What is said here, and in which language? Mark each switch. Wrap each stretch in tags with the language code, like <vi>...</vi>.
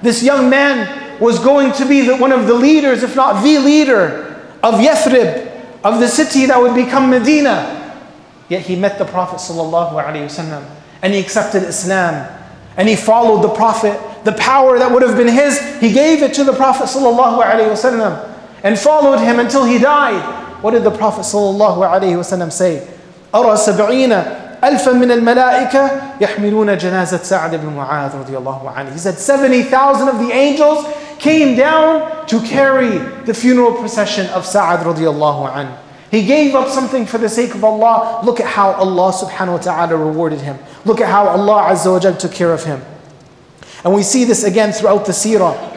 <en>This young man was going to be one of the leaders, if not the leader, of Yathrib, of the city that would become Medina. Yet he met the Prophet sallallahu alaihi wasallam, and he accepted Islam, and he followed the Prophet. The power that would have been his, he gave it to the Prophet sallallahu alaihi wasallam, and followed him until he died. What did the Prophet sallallahu alaihi wasallam say?</en> <ar>أرى سبعين ألفا من الملائكة يحملون جنازة سعد بن معاذ رضي الله عنه.</ar> <en>He said 70,000 of the angels came down to carry the funeral procession of Sa'ad radiallahu an. He gave up something for the sake of Allah. Look at how Allah subhanahu wa ta'ala rewarded him. Look at how Allah azza wa jal took care of him. And we see this again throughout the seerah.</en>